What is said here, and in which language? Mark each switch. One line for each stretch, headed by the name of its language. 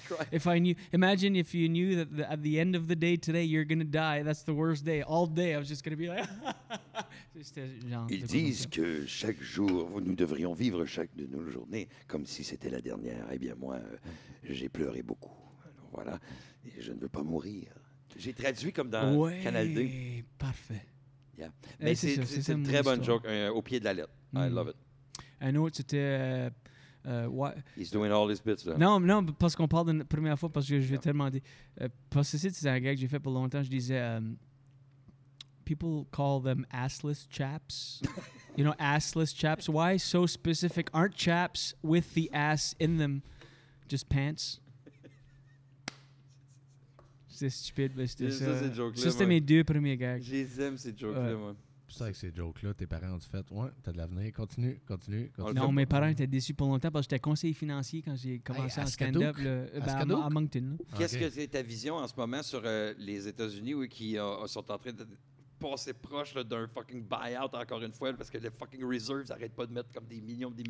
English: If I knew, imagine if you knew that at the end of the day today you're going to die. That's the worst day. All day I was just going to be like.
French: Ils disent que chaque jour, nous devrions vivre chaque de nos journées comme si c'était la dernière. Eh bien moi, j'ai pleuré beaucoup. Alors voilà, et je ne veux pas mourir. J'ai traduit comme dans Canal D. Oui, parfait.
English: Yeah.
French: Mais c'est une très bonne joke, au pied de la lettre.
English: Mm. I love it.
French: Un autre, c'était...
English: He's doing all his bits, là.
French: Non, parce qu'on parle de la première fois, parce que je vais tellement dire... parce que c'est un gag que j'ai fait pour longtemps, je disais...
English: people call them assless chaps. You know, assless chaps. Why so specific? Aren't chaps with the ass in them just pants?
French: C'est stupide, mais c'était mes deux premiers gags. J'aime ces jokes-là, moi. C'est ça, avec ces jokes-là, tes parents ont fait, ouais, t'as de l'avenir, continue. Non, mes parents étaient déçus pour longtemps parce que j'étais conseiller financier quand j'ai commencé en stand-up à Moncton. Qu'est-ce que c'est ta vision en ce moment sur les États-Unis qui sont en train de passer proche là, d'un fucking buyout encore une fois parce que les fucking reserves n'arrêtent pas de mettre comme des millions.